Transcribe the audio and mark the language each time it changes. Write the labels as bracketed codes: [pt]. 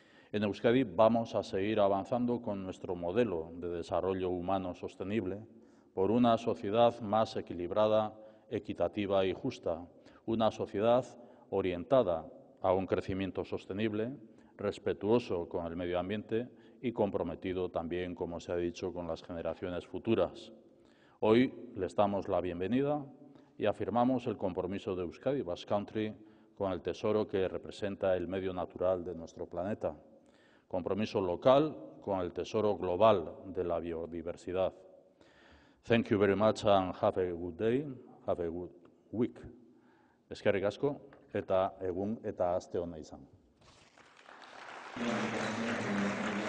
[es] En Euskadi vamos a seguir avanzando con nuestro modelo de desarrollo humano sostenible por una sociedad más equilibrada, equitativa y justa, una sociedad orientada a un crecimiento sostenible, respetuoso con el medio ambiente y comprometido también, como se ha dicho, con las generaciones futuras. Hoy les damos la bienvenida y afirmamos el compromiso de Euskadi Basque Country con el tesoro que representa el medio natural de nuestro planeta, compromiso local con el tesoro global de la biodiversidad. [en] Thank you very much and have a good day, have a good week. [eu] Eskerrik asko eta egun eta aste ona izan.